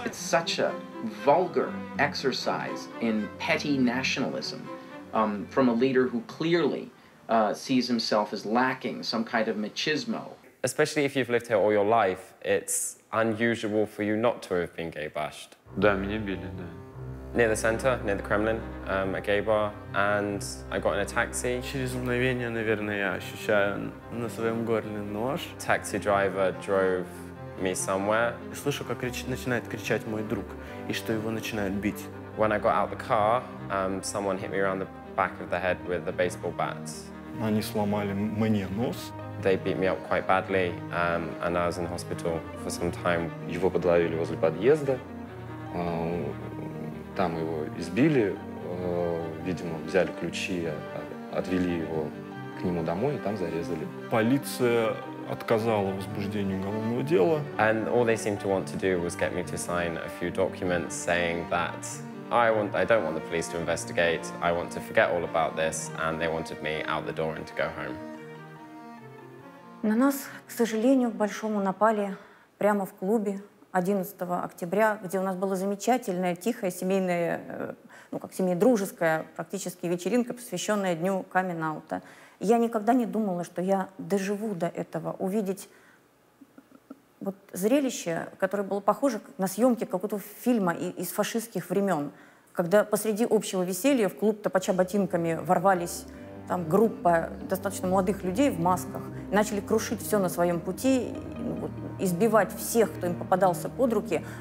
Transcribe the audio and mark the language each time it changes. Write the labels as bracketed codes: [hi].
[en] It's such a vulgar exercise in petty nationalism from a leader who clearly sees himself as lacking some kind of machismo. especially if you've lived here all your life, it's unusual for you not to have been gay-bashed. [ru] Да, меня били, да. [en] Near the center, near the Kremlin, a gay bar, and I got in a taxi. [ru] Через мгновение, наверное, я ощущаю на своем горле нож. [en] Taxi driver drove me somewhere. [ru] Слышу, как начинает кричать мой друг, и что его начинают бить. [en] When I got out the car, someone hit me around the back of the head with a baseball bat. [ru] Они сломали мне нос. [en] They beat me up quite badly, and I was in the hospital for some time. [ru] Его подловили возле подъезда. Там его избили, видимо, взяли ключи, отвели его к нему домой и там зарезали. Полиция отказала возбуждению уголовного дела. [en] And all they seemed to want to do was get me to sign a few documents saying that I don't want the police to investigate, I want to forget all about this, and they wanted me out the door and to go home. [ru] На нас, к сожалению, к большому напали прямо в клубе 11 октября, где у нас была замечательная, тихая, семейная, ну, как семейная, дружеская практически вечеринка, посвященная дню камин-аута. Я никогда не думала, что я доживу до этого, увидеть вот зрелище, которое было похоже на съемки какого-то фильма из фашистских времен, когда посреди общего веселья в клуб, топоча ботинками, ворвались там группа достаточно молодых людей в масках, начали крушить все на своем пути, избивать всех, кто им попадался под руки.